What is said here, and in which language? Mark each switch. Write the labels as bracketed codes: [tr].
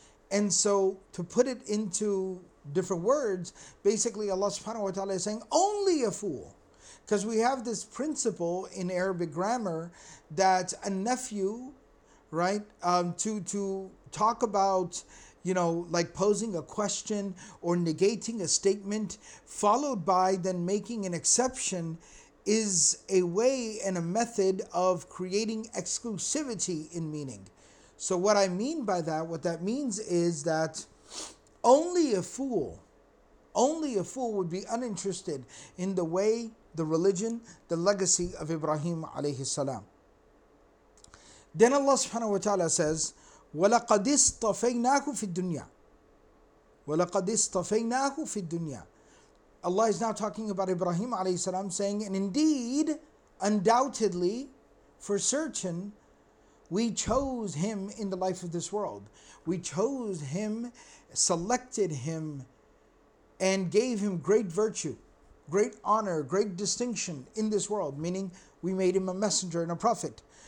[en] And so to put it into different words, basically Allah subhanahu wa ta'ala is saying only a fool, because we have this principle in Arabic grammar that a nephew, right, to talk about, you know, like posing a question or negating a statement followed by then making an exception is a way and a method of creating exclusivity in meaning. So what I mean by that, what that means is that Only a fool would be uninterested in the way, the religion, the legacy of Ibrahim alayhi salam. Then Allah subhanahu wa ta'ala says, [ar] وَلَقَدِ اصْطَفَيْنَاكُ فِي الدُّنْيَا. وَلَقَدِ اصْطَفَيْنَاكُ فِي الدُّنْيَا. [en] Allah is now talking about Ibrahim alayhi salam, saying, and indeed, undoubtedly, for certain, we chose him in the life of this world. We chose him, selected him, and gave him great virtue, great honor, great distinction in this world, meaning we made him a messenger and a prophet.